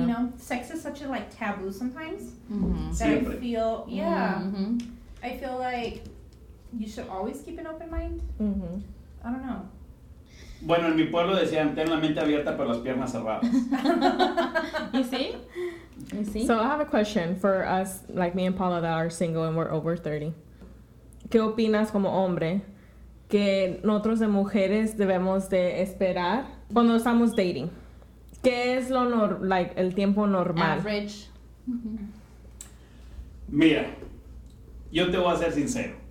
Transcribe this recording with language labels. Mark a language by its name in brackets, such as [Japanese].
[English] You know, sex is such a like taboo sometimes. Mm-hmm. That I feel, yeah. Mm-hmm. I feel like you should always keep an open mind. Mm-hmm. I don't know. [Spanish] Bueno, en mi pueblo decían, ten la mente abierta, pero las piernas cerradas. [English] You see? So I have a question for us, like me and Paula that are single and we're over 30. [Spanish] ¿Qué opinas como hombre que nosotros de mujeres debemos de esperar cuando estamos dating? ¿Qué es lo el tiempo normal? [English] Average. [Spanish] Mira, yo te voy a ser sincero.